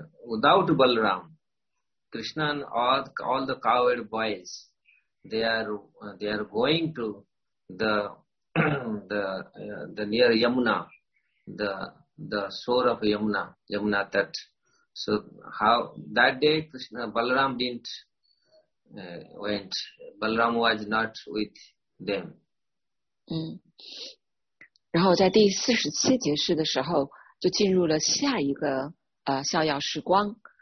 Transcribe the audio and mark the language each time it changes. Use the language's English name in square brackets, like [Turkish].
[English] Without Balaram Krishna and all the coward boys they are going to the near Yamuna the shore of Yamuna Tat. So how that day Krishna Balaram didn't went. Balaram was not with them. [Chinese] 嗯，然后在第47节诗的时候，就进入了下一个逍遥时光。